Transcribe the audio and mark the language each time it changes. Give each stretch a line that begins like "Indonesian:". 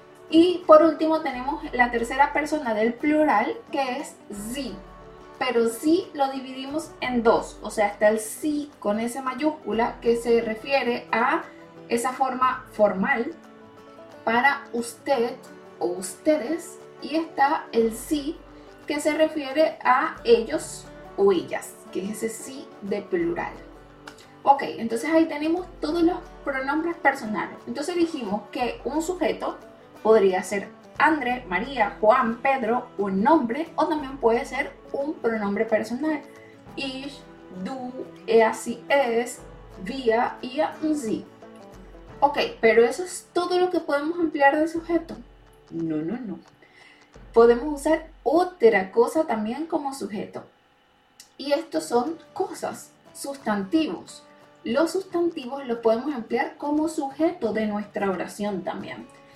Spanish: Y por último tenemos la tercera persona del plural, que es sie, pero sie lo dividimos en dos, o sea, está el sie con S mayúscula, que se refiere a esa forma formal para usted o ustedes, y está el sí, que se refiere a ellos o ellas, que es ese sí de plural. Ok, entonces ahí tenemos todos los pronombres personales. Entonces dijimos que un sujeto podría ser André, María, Juan, Pedro, un nombre, o también puede ser un pronombre personal.
German: Ich, du, er, sie, es, wir, ihr, sie.
Spanish: Ok, pero eso es todo lo que podemos emplear de sujeto. No. Podemos usar otra cosa también como sujeto. Y estos son cosas, sustantivos. Los sustantivos los podemos emplear como sujeto de nuestra oración también.